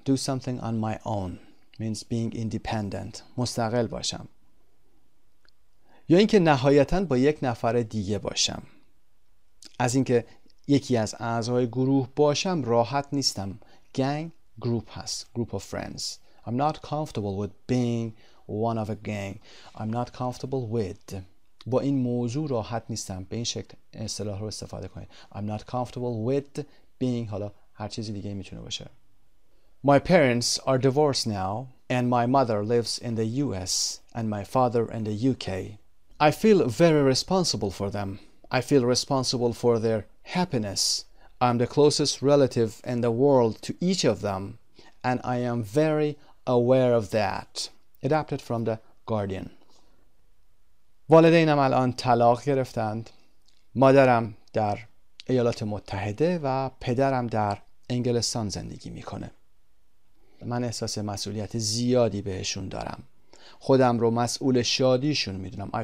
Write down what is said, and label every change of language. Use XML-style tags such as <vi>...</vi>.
<en>Do something on my own means being independent، مستقل باشم.</en> <fa>یا اینکه نهایتاً با یک نفر دیگه باشم. از اینکه یکی از اعضای گروه باشم راحت نیستم.</fa> <en>Gang group هست. Group of friends. I'm not comfortable with being one of a gang. I'm not comfortable with.</en> <fa>با این موضوع راحت نیستم. به این شکل اصطلاح رو استفاده کنید.</fa> <en>I'm not comfortable with being.</en> <fa>حالا هر چیزی دیگه میتونه باشه.</fa> <en>My parents are divorced now and my mother lives in the US and my father in the UK. I feel very responsible for them. I feel responsible for their happiness. I'm the closest relative in the world to each of them, and I am very aware of that. Adapted from the Guardian.</en> <fa>والدینم الان طلاق گرفتند. مادرم در ایالات متحده و پدرم در انگلستان زندگی میکنه. من احساس مسئولیت زیادی بهشون دارم. خودم رو مسئول شادیشون میدونم.</fa>